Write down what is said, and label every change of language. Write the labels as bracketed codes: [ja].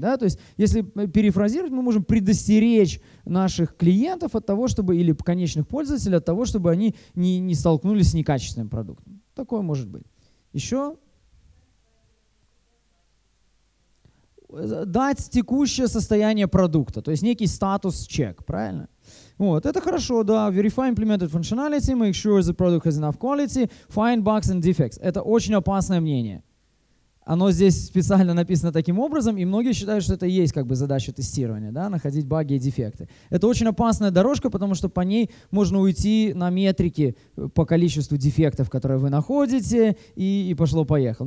[ru] Да? То есть, если перефразировать, мы можем предостеречь наших клиентов от того, чтобы, или конечных пользователей от того, чтобы они не столкнулись с некачественным продуктом. Такое может быть. Еще? Дать текущее состояние продукта, то есть некий статус-чек, правильно? Вот, это хорошо, да. [en] Verify implemented functionality, make sure the product has enough quality, find bugs and defects. [ru] Это очень опасное мнение. Оно здесь специально написано таким образом, и многие считают, что это и есть как бы задача тестирования, да, находить баги и дефекты. Это очень опасная дорожка, потому что по ней можно уйти на метрики по количеству дефектов, которые вы находите, и пошло-поехал.